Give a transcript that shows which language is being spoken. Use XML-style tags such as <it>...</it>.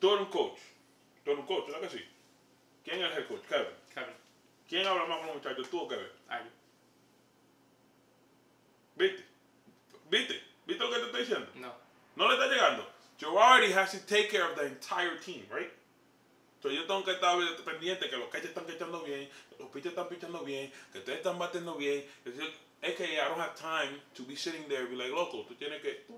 <en>Turn coach. Like I see.</en> <es>¿Quién es el coach?</es> <en>Kevin.</en> <es>¿Quién habla más con los muchachos? ¿Tú o Kevin? Ay. ¿Viste lo que te estoy diciendo? No. No le está llegando.</es> <en>Girardi has to take care of the entire team, right?</en> <es>So yo tengo que estar pendiente que los catchers están catchando bien, que los pitchers están pitchando bien, que ustedes están batiendo bien. Es que</es> <en>I don't have time to be sitting there and be like,</en> <es>loco, tú tienes que...</es>